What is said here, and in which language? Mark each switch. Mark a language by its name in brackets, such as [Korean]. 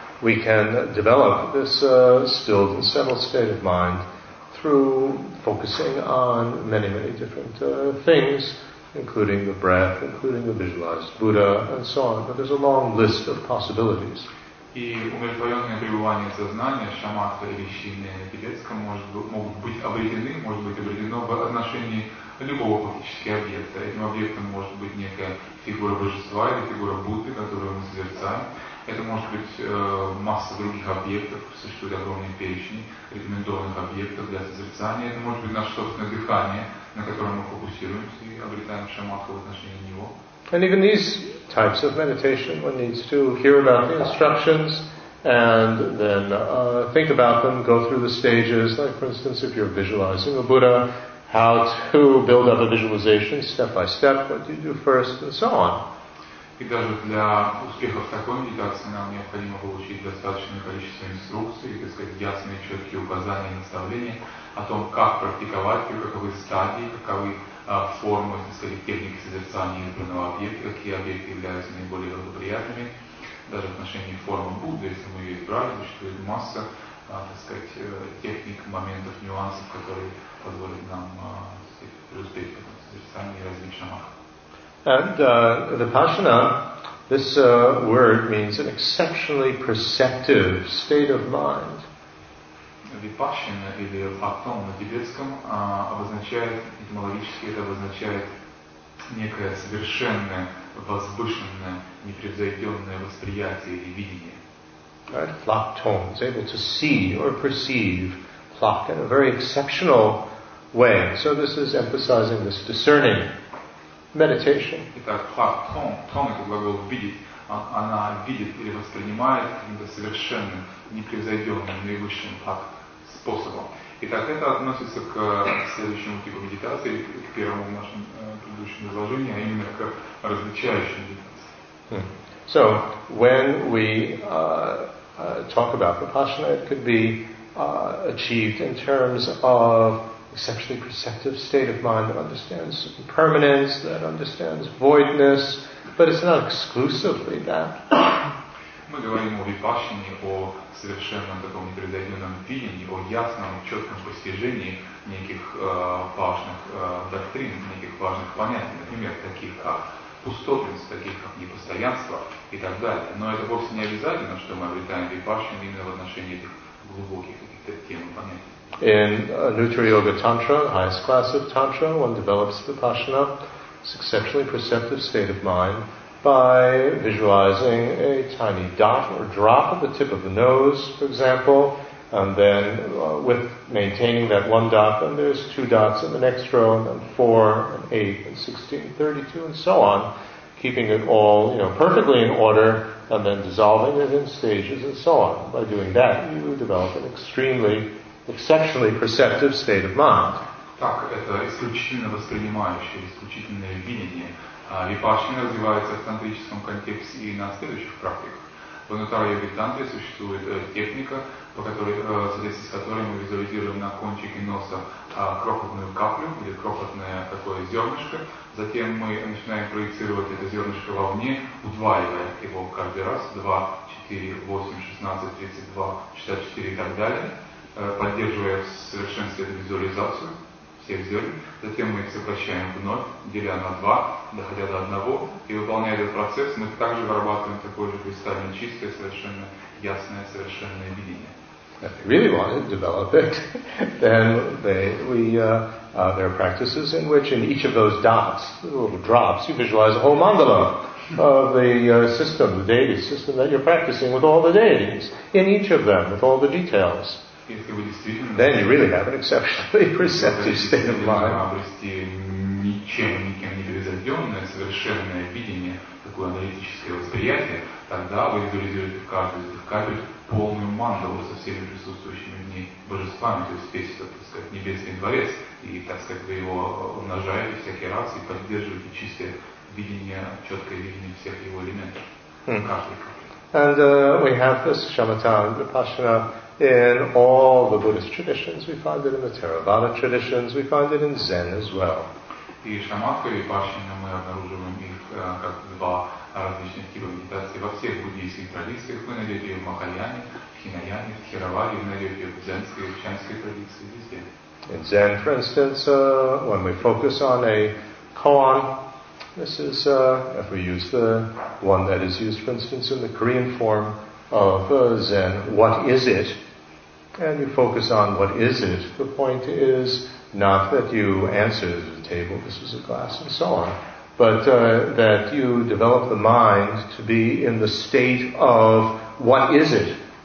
[English] We can develop this stilled and settled state of mind through focusing on many, many different things, including the breath, including the visualized Buddha, and so on. But there's a long list of possibilities. [Russian] И умиротворенное пребывание сознания, шамадха или шине на тибетском, могут быть обретены, может быть обретено в отношении любого фактического объекта. Этим объектом может быть некая фигура божества или фигура Будды, которую мы созерцаем. Это может быть масса других объектов, существует огромный перечень рекомендованных объектов для созерцания. Это может быть наше собственное дыхание, на котором мы фокусируемся и обретаем шамадху в отношении него. [English] And even these types of meditation, one needs to hear about the instructions and then think about them, go through the stages. Like, for instance, if you're visualizing a Buddha, how to build up a visualization step by step, what do you do first, and so on. [Russian] И даже для успеха в такой медитации нам необходимо получить достаточное количество инструкций, так сказать, ясные, четкие указания и наставления о том, как практиковать, каковы стадии, каковы формы, так сказать, техники созерцания избранного объекта, какие объекты являются наиболее благоприятными. Даже в отношении формы Будды, если мы ее избрали, существует масса, так сказать, техник, моментов, нюансов, которые позволят нам преуспеть в этом созерцании и развить шамадху. [English] And vipassana, this word means an exceptionally perceptive state of mind. [Russian] Vipassana или patong на тибетском обозначает, этимологически это обозначает некое совершенное, возвышенное, непревзойденное восприятие или видение. [English] right? Lock tone. It's able to see or perceive clock in a very exceptional way. So this is emphasizing this discerning meditation. [Russian] Итак, clock tone. Tone — это глагол видеть. Она видит или воспринимает каким-то совершенным, непревзойденным, наивысшим так способом. Итак, это относится к следующему типу медитации, к первому в нашем предыдущем изложении, а именно к различающим медитациям. [English] So, when we talk about vipassana, it could be achieved in terms of exceptionally perceptive state of mind that understands impermanence, that understands voidness, but it's not exclusively that. [Russian] Мы говорим о випашине, о совершенном таком непредвиденном видении, о ясном, четком постижении неких важных доктрин, неких важных понятий, например, таких как пустотность, таких как непостоянство и так далее. Но это вовсе не обязательно, что мы обретаем випашину именно в отношении этих глубоких каких-то тем и понятий. [English] In Nutra Yoga Tantra, highest class of Tantra, one develops vipassana, this exceptionally perceptive state of mind, by visualizing a tiny dot or drop at the tip of the nose, for example, and then with maintaining that one dot, then there's two dots in the next row, and then four, and eight, and 16, 32, and so on, keeping it all, you know, perfectly in order, and then dissolving it in stages, and so on. By doing that, you develop an extremely exceptionally perceptive state of mind. [Russian] Так, это исключительно воспринимающее, исключительное видение. Випашана развивается в тантрическом контексте и на следующих практиках. В нутра-йоге-тантре существует техника, по которой, соответственно, с которой мы визуализируем на кончике носа крохотную каплю или крохотное такое зернышко. Затем мы начинаем проецировать это зернышко вовне, удваивая его каждый раз. 2, 4, 8, 16, 32, 64 и так далее. Поддерживая в совершенстве эту визуализацию всех зерен, затем мы их сокращаем вновь, деля на два, доходя до одного, и выполняя этот процесс, мы также вырабатываем такое же кристально чистое, совершенно ясное, совершенное видение. [English] If you really want to develop it, then there are practices in which in each of those dots, little drops, you visualize a whole mandala of the system, the deity system that you're practicing with all the deities, in each of them, with all the details. Then you really have an exceptionally perceptive state of mind. [Russian] Обрести ничем, никем не перезайденное, совершенное видение, такое аналитическое восприятие, тогда вы визуализируете каждую из этих капель полную мандалу со всеми присутствующими в ней божествами, то есть весь, так сказать, небесный дворец, и, так сказать, вы его умножаете всякий раз и поддерживаете чистое видение, четкое видение всех его элементов, каждой. [English] And we have this shamatha vipassana. In all the Buddhist traditions, we find it in the Theravada traditions, we find it in Zen as well. [Russian] И шаматха, и пашина, мы обнаруживаем их как два различных типа медитации во всех буддийских традициях. Вы найдете ее в Махаяне, в Хинаяне, в Тхераваде, вы найдете ее в зенской и в чанской традиции везде. [English] In Zen, for instance, when we focus on a koan, this is, if we use the one that is used, for instance, in the Korean form, of Zen, what is it? And you focus on what is it. The point is not that you answer the table, this is a glass, and so on, but that you develop the mind to be in the state of what is it.